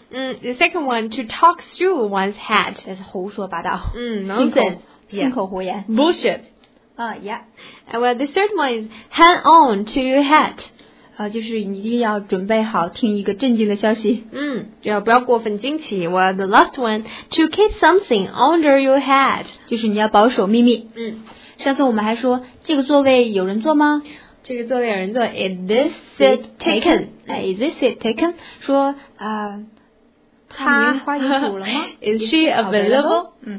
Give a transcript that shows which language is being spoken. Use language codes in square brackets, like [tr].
[en] The second one, to talk through one's hat. [zh] 这是胡说八道。信口胡言。 [en] Bullshit. Yeah. Well, the third one is hang on to your hat. [zh] 就是一定要准备好听一个震惊的消息。要不要过分惊奇。 [en] Well, the last one, to keep something under your hat. [zh] 就是你要保守秘密。上次我们还说，这个座位有人坐吗？这个座位有人坐。 [en] Is this seat taken? Is this seat taken? [zh] 说她名花已补了吗？ [en] Is she available?